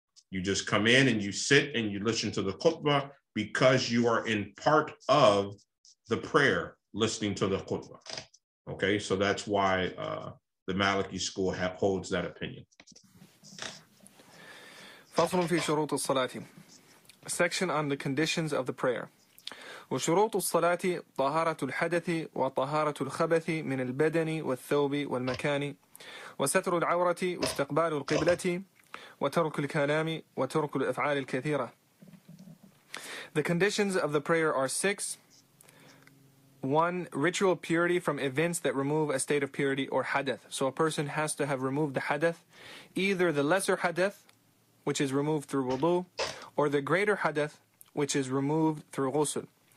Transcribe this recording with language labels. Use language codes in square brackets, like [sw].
[en] You just come in and you sit and you listen to the khutbah because you are in part of the prayer listening to the khutbah. Okay, so that's why the Maliki school holds that opinion. [ar] فصل في شروط الصلاة. [en] Section on the conditions of the prayer. [ar] وشروط الصلاة طهارة الحدث وطهارة الخبث من البدن والثوب والمكان وستر العورة واستقبال القبلة وترك الكلام وترك الأفعال الكثيرة. [en] The conditions of the prayer are 6. 1. Ritual purity from events that remove a state of purity or hadath. So a person has to have removed the hadath, either the lesser hadath, which is removed through wudu, or the greater hadath, which is removed through ghusl.